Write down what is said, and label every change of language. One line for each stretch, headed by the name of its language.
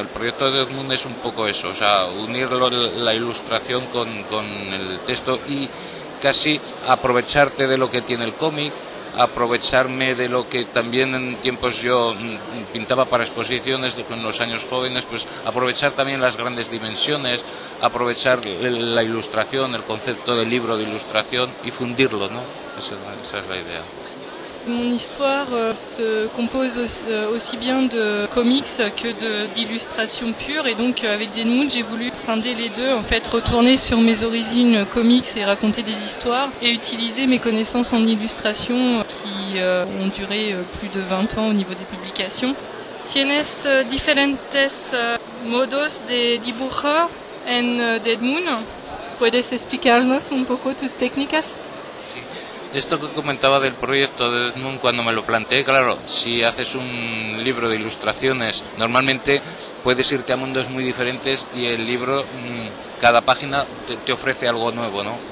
Spanish: El proyecto de Dead Moon es un poco eso, o sea, unir la ilustración con el texto y casi aprovecharte de lo que tiene el cómic, aprovecharme de lo que también en tiempos yo pintaba para exposiciones en los años jóvenes, pues aprovechar también las grandes dimensiones, aprovechar la ilustración, el concepto del libro de ilustración y fundirlo, ¿no? Esa es la idea.
French: Mon histoire se compose aussi bien de comics que d'illustrations pures et donc avec Dead Moon j'ai voulu scinder les deux, en fait retourner sur mes origines comics et raconter des histoires et utiliser mes connaissances en illustration qui ont duré plus de 20 ans au niveau des publications.
Spanish: Tienes diferentes modos de dibujar en Dead Moon. ¿Puedes explicarnos un poco tus técnicas? Sí. Esto que comentaba del proyecto de Dead Moon, cuando me lo planteé, claro, si haces un libro de ilustraciones, normalmente puedes irte a mundos muy diferentes y el libro, cada página te ofrece algo nuevo, ¿no?